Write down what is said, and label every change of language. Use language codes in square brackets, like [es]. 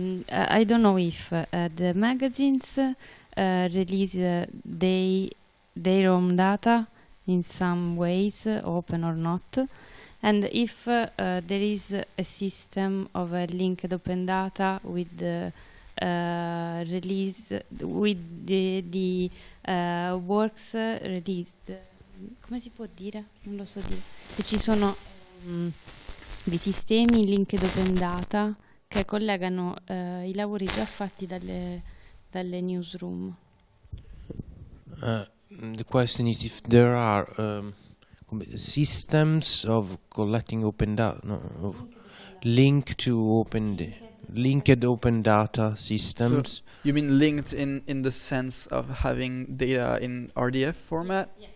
[en] I don't know if the magazines release their own data in some ways, open or not. And if there is a system of a linked open data with the release with the works released, [it] come si può dire? Non lo so dire. Se ci sono dei sistemi linked open data che collegano i lavori già fatti dalle newsroom. [en] The question is if there are systems of collecting open data, no, linked open data systems. So you mean linked in the sense of having data in RDF format?